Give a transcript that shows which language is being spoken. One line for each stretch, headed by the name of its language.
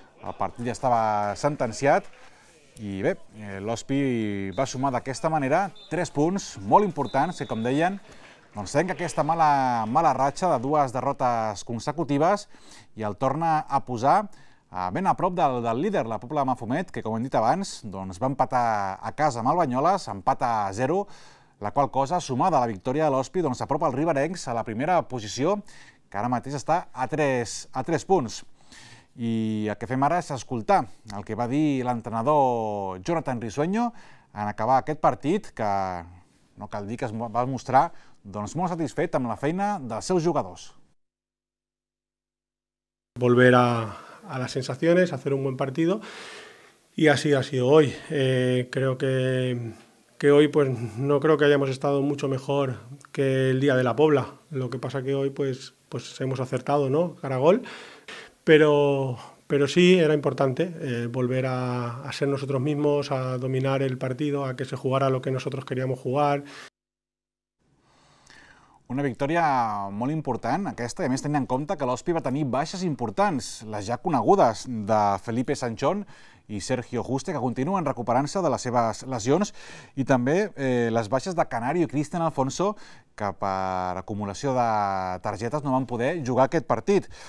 Catalan: El partit ja estava sentenciat i bé, l'Ospi va sumar d'aquesta manera 3 punts molt importants, que com deien, doncs trenca aquesta mala ratxa de 2 derrotes consecutives i el torna a posar ben a prop del líder, la Pobla Mafumet, que com hem dit abans, doncs va empatar a casa amb el Banyoles, empat a 0, la qual cosa, sumada a la victòria de l'Ospi, doncs apropa el riberencs a la primera posició, que ara mateix està a 3 punts. I el que fem ara és escoltar el que va dir l'entrenador Jonathan Risueño en acabar aquest partit, que no cal dir que es va mostrar doncs molt satisfet amb la feina dels seus jugadors.
Spanish: Volver a las sensaciones, hacer un buen partido, y así ha sido hoy. Creo que hoy pues no creo que hayamos estado mucho mejor que el día de la Pobla. Lo que pasa que hoy pues hemos acertado, ¿no? Cara a gol, pero sí era importante volver a ser nosotros mismos, a dominar el partido, a que se jugara lo que nosotros queríamos jugar.
Catalan: Una victòria molt important, aquesta, i a més tenint en compte que l'Ospi va tenir baixes importants, les ja conegudes de Felipe Sanchón i Sergio Juste, que continuen recuperant-se de les seves lesions, i també les baixes de Canario i Cristian Alfonso, que per acumulació de targetes no van poder jugar aquest partit.